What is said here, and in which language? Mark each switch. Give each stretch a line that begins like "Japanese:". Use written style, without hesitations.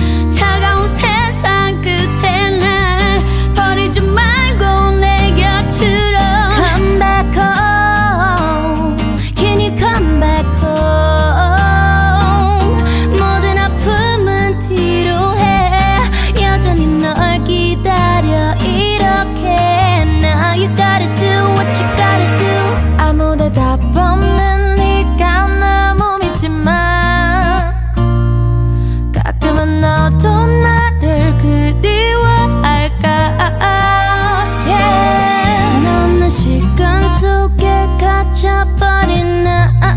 Korean: 차가운 세상 끝에 날 버리지 말고 내 곁으로.
English: Come back home. Can you come back home?
Korean: 모든 아픔은 뒤로 해 여전히 널 기다려 이렇게.
English: Now you gotta do what you gotta do.
Korean: 아무 대답 없는 네가 너무 믿지만 가끔은 너도 나를 그리워할까. Yeah. 넌 내 시간 속에 갇혀버린 나.